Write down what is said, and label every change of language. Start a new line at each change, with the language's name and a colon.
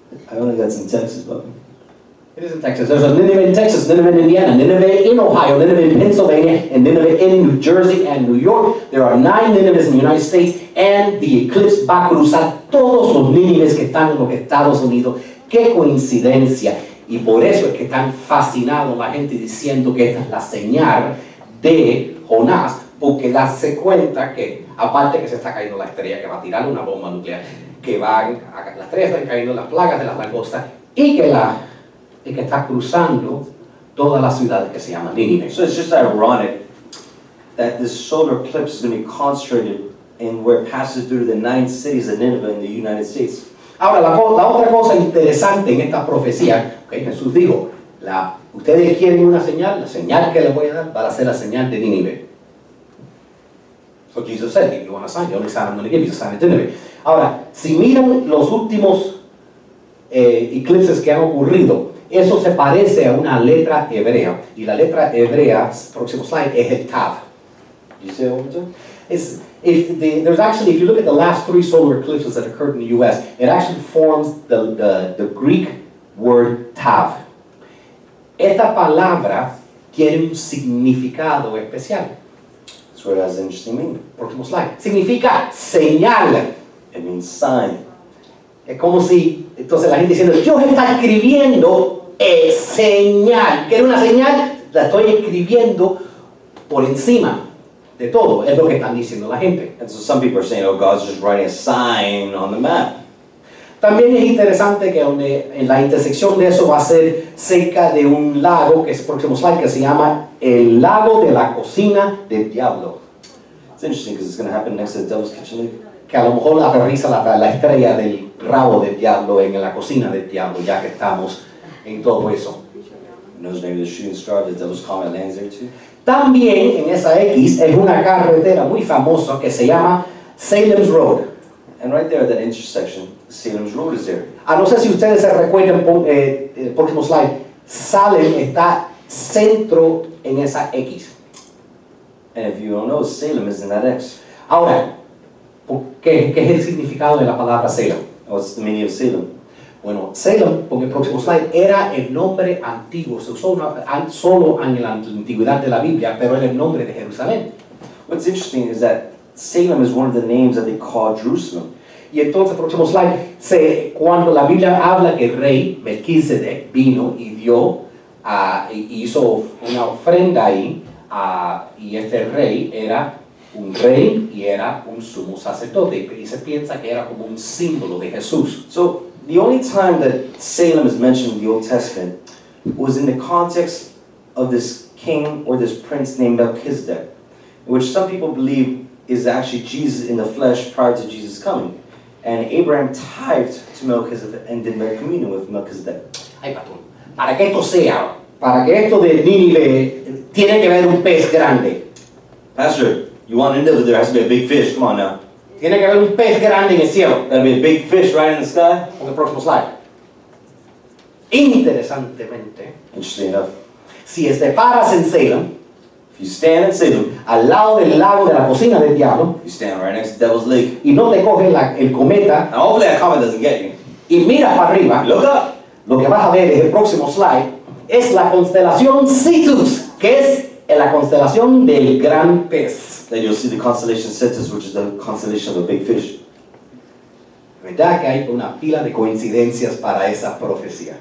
English: I don't think that's in Texas, but... It is in Texas. There's a Nínive in Texas, Nínive in Indiana, Nínive in Ohio, Nínive in Pennsylvania, and Nínive in New Jersey and New York. There are 9 Nínives in the United States, and the eclipse va a cruzar todos los Nínives que están en los Estados Unidos.
Spanish: ¡Qué coincidencia! Y por eso es que están fascinados la gente diciendo que esta es la señal de Jonás, porque darse cuenta que, aparte que se está cayendo la estrella que va a tirar una bomba nuclear, que van a, las estrellas están cayendo, las plagas de las langostas, y que la... y que está cruzando todas las ciudades que se llaman Nínive.
English: So it's just ironic that this solar eclipse is going to be concentrated in where it passes through the 9 cities of Nineveh in the United States.
Spanish: Ahora, la otra cosa interesante en esta profecía, okay, Jesús dijo, ustedes quieren una señal, la señal que les voy a dar va a ser la señal de Nínive.
English: So Jesus said, if you want a sign, the only sign I'm going to give you is a sign of Nínive.
Spanish: Ahora, si miran los últimos eclipses que han ocurrido, eso se parece a una letra hebrea. Y la letra hebrea, próximo slide, es el Tav.
English: You see what I'm saying? There's actually, if you look at the last 3 solar eclipses that occurred in the U.S., it actually forms the Greek word Tav.
Spanish: Esta palabra tiene un significado especial.
English: That's where it has an interesting meaning.
Spanish: Próximo slide. Significa señal.
English: It means sign.
Spanish: Es como si, entonces la gente diciendo, Dios está escribiendo señal. ¿Qué era una señal? La estoy escribiendo por encima de todo. Es lo que están diciendo la gente.
English: And so some people are saying, oh, God's just writing a sign on the map.
Spanish: También es interesante que donde, en la intersección de eso va a ser cerca de un lago, que es el próximo slide, que se llama el lago de la cocina del diablo.
English: It's interesting because it's going to happen next to the devil's kitchen.
Spanish: Que a lo mejor aterriza la estrella del rabo del diablo en la cocina del diablo, ya que estamos en todo eso.
English: Knows maybe the shooting star of the devil's comet lands there too.
Spanish: También en esa X es una carretera muy famosa que se llama Salem's Road.
English: And right there at that intersection, Salem's Road is there.
Spanish: A no sé si ustedes se recuerdan, el próximo slide, Salem está centro en esa X.
English: And if you don't know, Salem is in that X.
Spanish: Ahora, ¿qué es el significado de la palabra Salem?
English: What's the meaning of Salem?
Spanish: Bueno, Salem, con el próximo slide, era el nombre antiguo. Se usó solo en la antigüedad de la Biblia, pero era el nombre de Jerusalén.
English: What's interesting is that Salem is one of the names that they call Jerusalem.
Spanish: Y entonces, el próximo slide, cuando la Biblia habla que el rey Melquisedec vino y dio, hizo una ofrenda ahí, y este rey era un rey y era un sumo sacerdote. Y se piensa que era como un símbolo de Jesús.
English: So, the only time that Salem is mentioned in the Old Testament was in the context of this king or this prince named Melchizedek, which some people believe is actually Jesus in the flesh prior to Jesus' coming. And Abraham tithed to Melchizedek and did their communion with Melchizedek.
Spanish: Ay, patrón, para que esto sea, para que esto de Nínive, tiene que haber un pez grande.
English: Pastor, you want to end up there has to be a big fish. Come on now.
Spanish: Tiene que haber un pez grande en el cielo.
English: There'll be a big fish right in the sky.
Spanish: On the próximo slide. Interesantemente.
English: Interesting enough.
Spanish: Si este paras en Salem.
English: If you stand in Salem.
Spanish: Al lado del lago de la cocina del diablo.
English: You stand right next to the devil's lake.
Spanish: Y no te coge el cometa.
English: Now hopefully that comet doesn't get you.
Spanish: Y miras para arriba.
English: Look up.
Spanish: Lo que vas a ver en el próximo slide. Es la constelación Cetus. Que es en la constelación del gran pez.
English: Then you'll see the constellation Cetus, which is the constellation of a big fish.
Spanish: ¿Verdad que hay una pila de coincidencias para esa profecía?